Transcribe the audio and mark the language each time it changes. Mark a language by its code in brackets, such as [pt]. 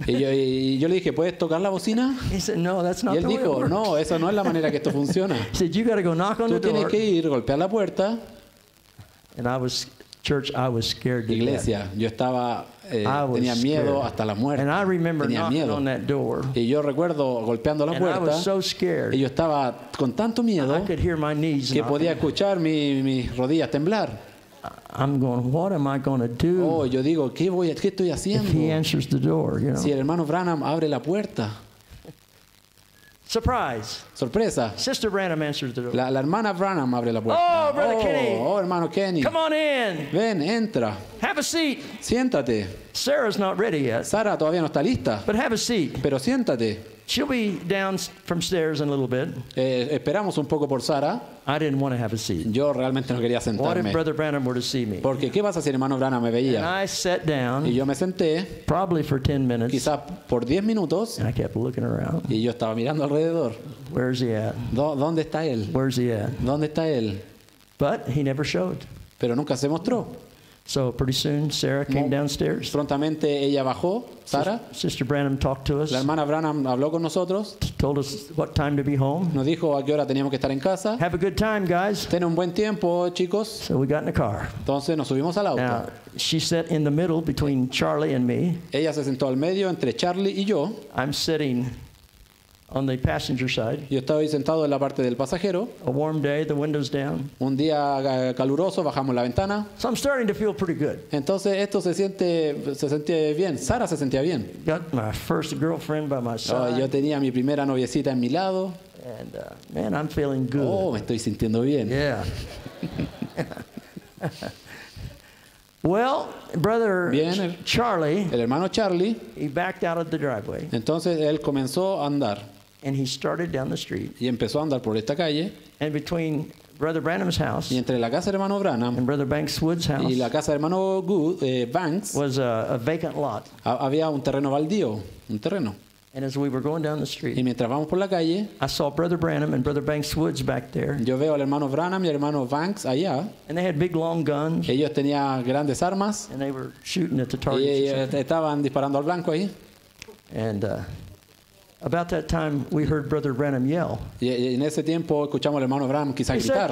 [es] Y yo le dije, ¿puedes tocar la bocina? [en] He said, no, that's not [es] y él dijo, no, esa no es la manera que esto funciona. [en] He said, you got to go knock on the door. [es] Tú tienes que ir, golpear la puerta. [en] And I was church, I was scared to [es] iglesia, [en] death. [es] Yo estaba, [en] I was [es] tenía miedo [en] scared. [es] Hasta la muerte. [en] And I remember [es] tenía [en] knocking [es] miedo. [en] On that door. [es] Y yo recuerdo golpeando la [en] and [es] puerta. [en] I was so scared. [es] Y yo estaba con tanto miedo [en] I could hear my knees [es] que podía escuchar mis rodillas temblar. [en] I'm going, what am I going to do? [es] Oh, yo digo, ¿qué estoy haciendo? [en] If he answers the door, you know. [es] Si el hermano Branham abre la puerta. [en] Surprise. [es] Sorpresa. [en] Sister Branham answers the door. [es] La hermana Branham abre la puerta. [en] Oh, Brother Kenny. [es] Oh, hermano Kenny. [en] Come on in. [es] Ven, entra. [en] Have a seat. [es] Siéntate. [en] Sarah's not ready yet. [es] Sara todavía no está lista. [en] But have a seat. [es] Pero siéntate. [en] She'll be down from stairs in a little bit. [es] Esperamos un poco por Sara. [en] I didn't want to have a seat. [es] Yo realmente no quería sentarme. [en] What if Brother Branham were to see me? [es] Porque ¿qué pasa si el hermano Branham me veía? [en] And I sat down. [es] Y yo me senté. [en] Probably for 10 minutes. [es] Quizá por 10 minutos. [en] And I kept looking around. [es] Y yo estaba mirando alrededor. [en] Where's he at? [es] ¿Dónde está él? [en] Where's he at? [es] ¿Dónde está él? [en] But he never showed. [es] Pero nunca se mostró. [en] So pretty soon Sarah came downstairs. [es] Prontamente ella bajó, Sara. [en] Sister Branham talked to us. [es] La hermana Branham habló con nosotros. [en] Told us what time to be home. [es] Nos dijo a qué hora teníamos que estar en casa. [en] Have a good time, guys. [es] Ten un buen tiempo, chicos. [en] So we got in the car. [es] Entonces nos subimos al auto. [en] Now, she sat in the middle between Charlie and me. [es] Ella se sentó al medio entre Charlie y yo. [en] I'm sitting on the passenger side. [es] Yo estaba ahí sentado en la parte del pasajero. [en] A warm day, the window's down. [es] Un día caluroso, bajamos la ventana. [en] So I'm starting to feel pretty good. [es] Entonces esto se sentía bien. Sara se sentía bien. [en] Got my first girlfriend by my side. [es] Yo tenía mi primera noviecita en mi lado. [en] And man, I'm feeling good. [es] Oh, me estoy sintiendo bien. [en] Yeah. Well, brother [es] bien, Charlie, el hermano Charlie, [en] he backed out of the driveway. [es] Entonces él comenzó a andar. [en] And he started down the street. [es] Y empezó a andar por esta calle. [en] And between Brother Branham's house [es] y entre la casa de hermano Branham [en] and Brother Banks Wood's house [es] y la casa de hermano Banks [en] was a vacant lot. [es] Había un terreno baldío, un terreno. [en] And as we were going down the street, [es] y mientras vamos por la calle, [en] I saw Brother Branham and Brother Banks Woods back there. [es] Yo veo al hermano Branham y al hermano Banks allá. [en] And they had big long guns. [es] Ellos tenían grandes armas. [en] And they were shooting at the target. [es] Y estaban disparando al blanco ahí. [en] And about that time, we heard Brother Branham yell. [es] Y en ese tiempo escuchamos al hermano Branham quizá gritar.